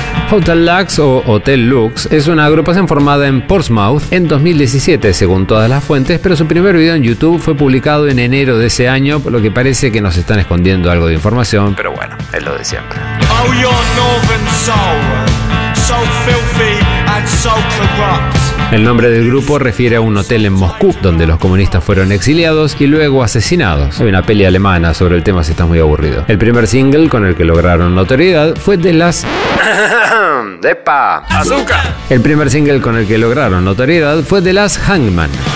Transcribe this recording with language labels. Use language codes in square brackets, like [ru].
[es] Hotel Lux o Hotel Lux es una agrupación formada en Portsmouth en 2017 según todas las fuentes, pero su primer video en YouTube fue publicado en enero de ese año, por lo que parece que nos están escondiendo algo de información, pero bueno, es lo de siempre. [en] Oh, your northern soul, so filthy and so corrupt. [es] El nombre del grupo refiere a un hotel en Moscú, donde los comunistas fueron exiliados y luego asesinados. Hay una peli alemana sobre el tema si estás muy aburrido. El primer single con el que lograron notoriedad fue de las... ¡Epa! ¡Azúcar! El primer single con el que lograron notoriedad fue de las Hangman.